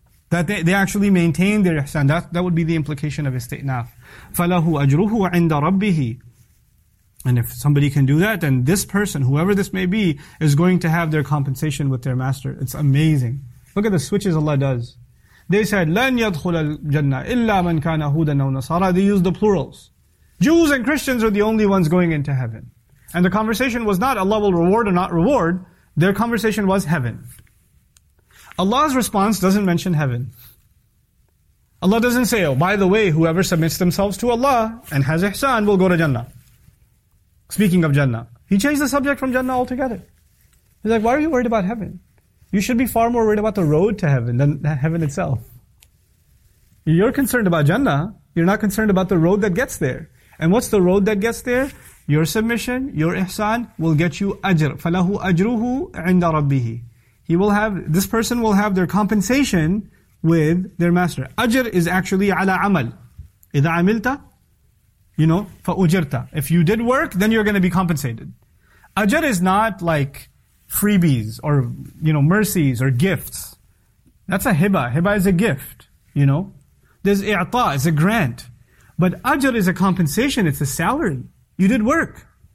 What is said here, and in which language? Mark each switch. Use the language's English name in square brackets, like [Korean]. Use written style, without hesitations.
[English] That they actually maintained their ihsan. That would be the implication of isti'naf. [Arabic] فَلَهُ أَجْرُهُ عِنْدَ رَبِّهِ. [English] And if somebody can do that, then this person, whoever this may be, is going to have their compensation with their master. It's amazing. Look at the switches Allah does. [Arabic] They said, لَنْ يَدْخُلَ الْجَنَّةِ إِلَّا مَنْ كَانَ هُودًا أَوْ نَصَارًا. [English] They use the plurals. Jews and Christians are the only ones going into heaven. And the conversation was not Allah will reward or not reward. Their conversation was heaven. Allah's response doesn't mention heaven. Allah doesn't say, oh, by the way, whoever submits themselves to Allah and has ihsan will go to Jannah. Speaking of Jannah, he changed the subject from Jannah altogether. He's like, why are you worried about heaven? You should be far more worried about the road to heaven than heaven itself. You're concerned about Jannah. You're not concerned about the road that gets there. And what's the road that gets there? Your submission, your ihsan will get you ajr. [Arabic] فَلَهُ أَجْرُهُ عِنْدَ رَبِّهِ. [English] He will have, this person will have their compensation with their master. Ajr is actually [Arabic] عَلَى عَمَلْ. إِذَا عَمِلْتَ, [English] you know, [Arabic] فَأُجِرْتَ. [English] If you did work, then you're going to be compensated. Ajr is not like freebies or, you know, mercies or gifts. That's a hiba. Hiba is a gift, you know. There's i'ta, it's a grant. But ajr is a compensation, it's a salary. You did work.